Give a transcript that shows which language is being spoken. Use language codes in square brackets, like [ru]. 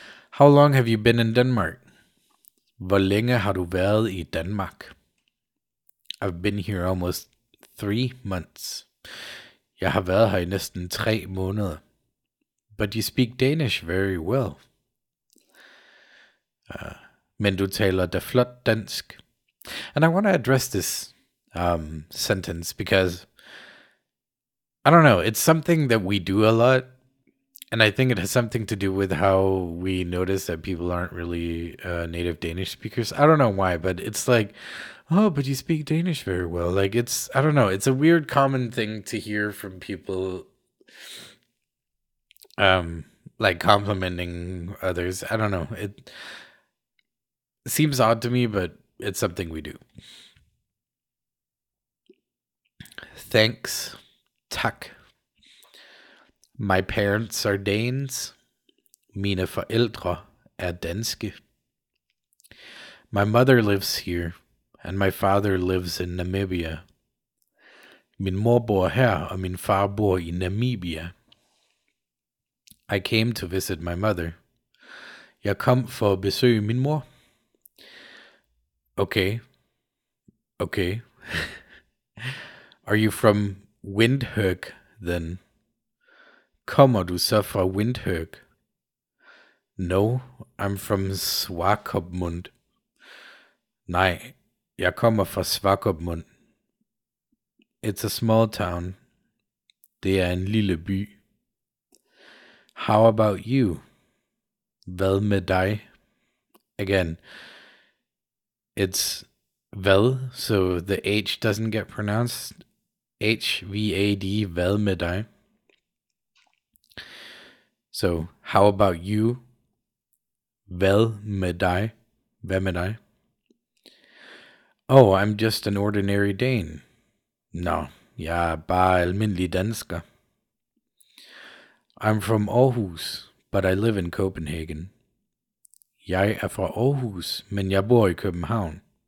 [en] How long have you been in Denmark? [da] Hvor længe har du været i Danmark? [en] I've been here almost 3 months. [da] Jeg har været her i næsten 3 måneder. [en] But you speak Danish very well. [da] Men du taler da flot dansk. [en] And I want to address this sentence because, I don't know, it's something that we do a lot. And I think it has something to do with how we notice that people aren't really native Danish speakers. I don't know why, but it's like, oh, but you speak Danish very well. Like, it's, I don't know, it's a weird common thing to hear from people, like complimenting others. I don't know. It seems odd to me, but it's something we do. Thanks. Tak. My parents are Danes. [da] Mine forældre er danske. [en] My mother lives here, and my father lives in Namibia. [da] Min mor bor her, og min far bor i Namibia. [en] I came to visit my mother. [da] Jeg kom for at besøge min mor. [en] Okay. Okay. Are you from Windhoek, then? [da] Kommer du så fra Windhoek? [en] No, I'm from Swakopmund. [da] Nej, jeg kommer fra Swakopmund. [en] It's a small town. [da] Det er en lille by. [en] How about you? [da] Hvad med dig? [en] Again, it's vel, so the H doesn't get pronounced. H-V-A-D, [da] vel med dig. [en] So, how about you? [da] Vel med dig? Hvad med dig? [en] Oh, I'm just an ordinary Dane. [da] No, jeg er bare almindelig dansker. [en] I'm from Aarhus, but I live in Copenhagen. [da] Jeg er fra Aarhus, men jeg bor i København.